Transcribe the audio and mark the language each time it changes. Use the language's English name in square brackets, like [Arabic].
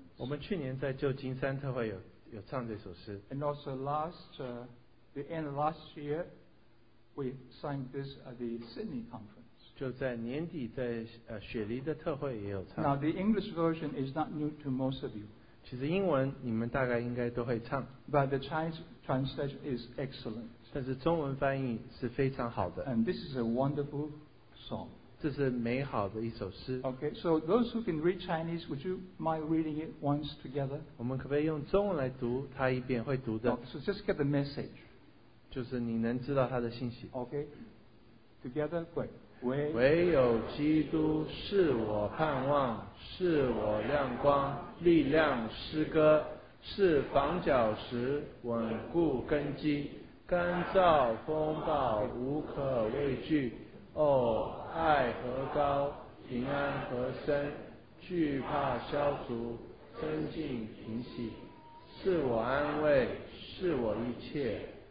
[Chinese] 我们去年在旧金山特会有唱这首诗. [English] And also the end of last year, we sang this at the Sydney conference. [Chinese] 就在年底在雪梨的特会也有唱. [English] Now the English version is not new to most of you. [Chinese] 其实英文你们大概应该都会唱. [English] But the Chinese translation is excellent. [Chinese] 但是中文翻译是非常好的. [English] And this is a wonderful song. [Chinese] 这是美好的一首诗. [English] Okay, so those who can read Chinese, would you mind reading it once together? [Chinese] 我们可不可以用中文来读它一遍会读的? [English] Okay, so just get the message. [Chinese] 就是你能知道他的信息. [English] Okay, together, great. [Chinese] 唯有基督是我盼望，是我亮光，力量诗歌，是房角石，稳固根基，干燥风暴无可畏惧。哦，爱何高，平安何深，惧怕消除，增进平息，是我安慰，是我一切。